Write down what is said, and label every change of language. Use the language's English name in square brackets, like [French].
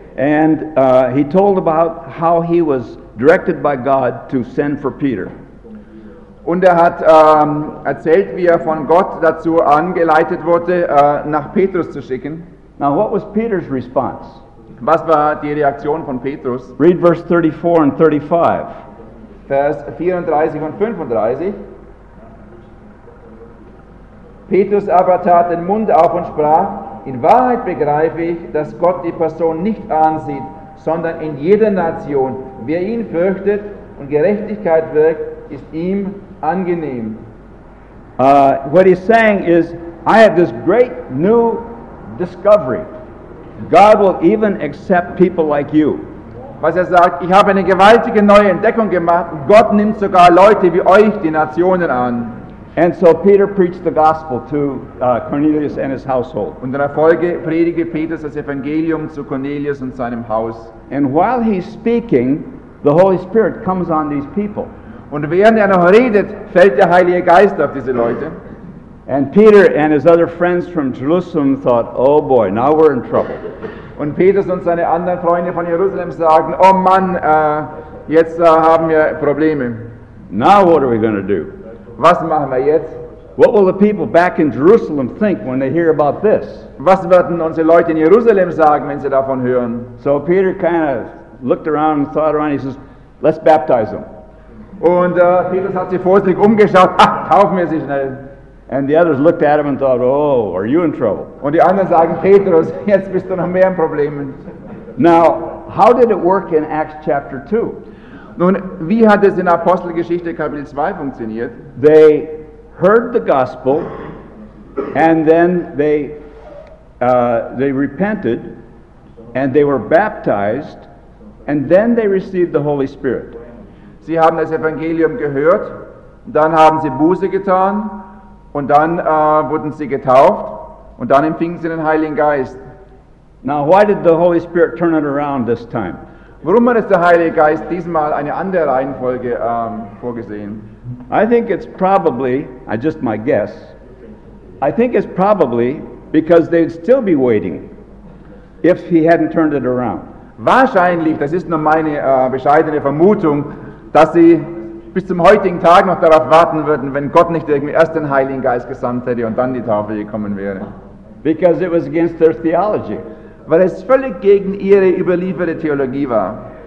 [English] And he told about how he was directed by God to send for Peter. [German] Und hat erzählt, wie von Gott dazu angeleitet wurde, nach Petrus zu schicken. [English] Now, what was Peter's response? [German] Was war die Reaktion von Petrus? [English] Read verse 34 and 35. [German] Vers 34 und 35. Petrus aber tat den Mund auf und sprach: In Wahrheit begreife ich, dass Gott die Person nicht ansieht, sondern in jeder Nation, wer ihn fürchtet und Gerechtigkeit wirkt, ist ihm angenehm. [English] What he's saying is, I have this great new discovery. God will even accept people like you. [German] Was er sagt, ich habe eine gewaltige neue Entdeckung gemacht. Gott nimmt sogar Leute wie euch, die Nationen an. [English] And so Peter preached the gospel to Cornelius and his household. [German] Und in der Folge predigte Petrus das Evangelium zu Cornelius und seinem Haus. [English] And while he's speaking, the Holy Spirit comes on these people. [German] Und während er noch redet, fällt der Heilige Geist auf diese Leute. [English] And Peter and his other friends from Jerusalem thought, "Oh boy, now we're in trouble." [German] Und Petrus und seine anderen Freunde von Jerusalem sagen, "Oh Mann, jetzt haben wir Probleme." [English] Now what are we going to do? [German] Was machen wir jetzt? [English] What will the people back in Jerusalem think when they hear about this? [German] Was werden unsere Leute in Jerusalem sagen, wenn sie davon hören? [English] So Peter kind of looked around and thought around. He says, "Let's baptize them." [German] Und Petrus hat sich vorsichtig umgeschaut. Ah, taufen wir sie schnell. [English] And the others looked at him and thought, "Oh, are you in trouble?" [German] Und die anderen sagen, Petrus, jetzt bist du noch mehr im Problem. [English] Now, how did it work in Acts chapter 2? [German] Nun, wie hat es in Apostelgeschichte Kapitel 2 funktioniert? [English] They heard the gospel and then they repented and they were baptized and then they received the Holy Spirit. [German] Sie haben das Evangelium gehört, dann haben sie Buße getan und dann wurden sie getauft und dann empfingen sie den Heiligen Geist. [English] Now, why did the Holy Spirit turn it around this time? [German] Warum hat der Heilige Geist diesmal eine andere Reihenfolge vorgesehen? [English] I think it's probably, just my guess, I think it's probably because they'd still be waiting if he hadn't turned it around. [German] Wahrscheinlich, das ist nur meine bescheidene Vermutung, dass sie bis zum heutigen Tag noch darauf warten würden, wenn Gott nicht irgendwie erst den Heiligen Geist gesandt hätte und dann die Taufe gekommen wäre. [English] Because it was against their theology. [German] Weil es völlig gegen ihre überlieferte Theologie war.